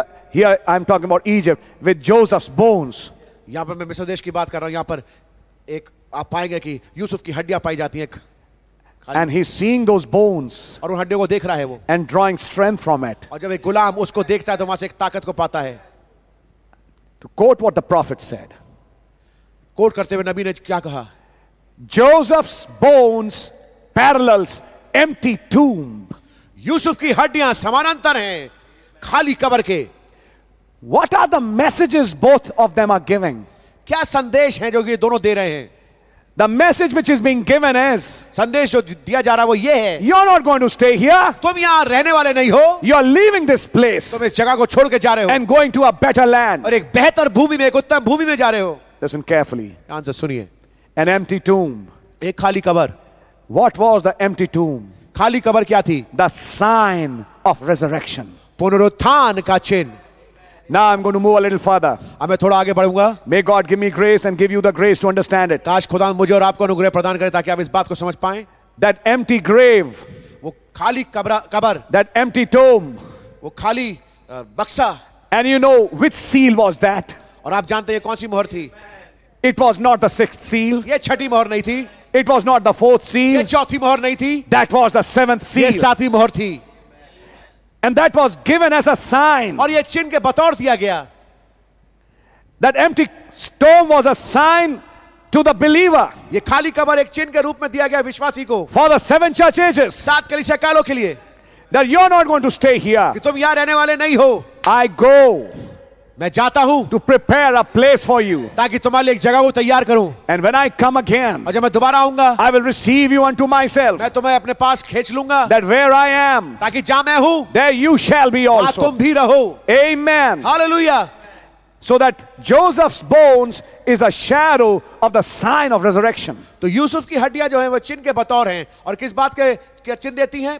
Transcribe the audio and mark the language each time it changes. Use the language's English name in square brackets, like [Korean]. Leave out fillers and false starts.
[English] Here I'm talking about Egypt with Joseph's bones. [Hindi] यहाँ पर मैं मिस्र देश की बात कर रहा हूँ. यहाँ पर एक आप पाएंगे कि यूसुफ की हड्डियाँ पाई जाती हैं. [English] And he's seeing those bones. [Hindi] और उन हड्डियों को देख रहा है वो. [English] And drawing strength from it. [Hindi] और जब एक गुलाम उसको देखता है तो वहाँ से एक ताकत को पाता है. [English] To quote what the prophet said. [Hindi] Quote करते हुए नबी ने क्या कहा? [English] Joseph's bones parallels empty tomb. [Hindi] Yusuf की हड्डियां समानांतर हैं खाली कब्र के. [English] What are the messages both of them are giving? [Hindi] क्या संदेश है जो ये दोनों दे रहे हैं? [English] The message which is being given is, [Hindi] संदेश जो दिया जा रहा है वो ये है, [English] you are not going to stay here. [Hindi] तुम यहाँ रहने वाले नहीं हो. [English] You are leaving this place. [Hindi] तुम इस जगह को छोड़ के जा रहे हो. [English] And going to a better land. [Hindi] और एक बेहतर भूमि में, एक उत्तम भूमि में जा रहे हो. [English] Listen carefully. [Hindi] आंसर सुनिए. [English] An empty tomb. [Hindi] एक खाली cover. [English] What was the empty tomb? [Hindi] खाली कबर क्या थी? [English] The sign of resurrection. [Hindi] पुनरुत्थान का चिन्ह. [English] Now I'm going to move a little further. [Hindi] अब मैं थोड़ा आगे बढ़ूंगा. [English] May God give me grace and give you the grace to understand it. [Hindi] काश खुदा मुझे और आपको अनुग्रह प्रदान करे ताकि आप इस बात को समझ पाएं. [English] That empty grave. [Hindi] वो खाली कबर. [English] That empty tomb. [Hindi] वो खाली बक्सा. [English] And you know which seal was that? [Hindi] और आप जानते हैं कौन सी मोहर थी? [English] It was not the sixth seal. [Hindi] ये छठी मोहर नहीं थी. [English] It was not the fourth seal. [Hindi] ये चौथी मोहर नहीं थी. [English] That was the seventh seal. [Hindi] ये सातवीं मोहर थी. [English] And that was given as a sign. [Hindi] और ये चिन्ह के बतौर दिया गया. [English] That empty tomb was a sign to the believer. [Hindi] ये खाली कबर एक चिन्ह के रूप में दिया गया विश्वासी को. [English] For the seven church ages. [Hindi] सात कलीसिया कालों के लिए. [English] That you're not going to stay here. [Hindi] कि तुम यहाँ रहने वाले नहीं हो. [English] I go. [Hindi] मैं जाता हूं. [English] To prepare a place for you. [Hindi] ताकि तुम्हारे लिए एक जगह को तैयार करूं. [English] And when I come again. [Hindi] और जब मैं दोबारा आऊंगा. [English] I will receive you unto myself. [Hindi] मैं तुम्हें अपने पास खींच लूंगा. [English] That where I am. [Hindi] ताकि जहां मैं हूं. [English] There you shall be also. [Hindi] तुम भी रहो. [English] Amen. Hallelujah. So that Joseph's bones is a shadow of the sign of resurrection. [Hindi] तो यूसुफ की हड्डियां जो हैं वो चिन्ह के बतौर हैं और किस बात के क्या चिन्ह देती हैं?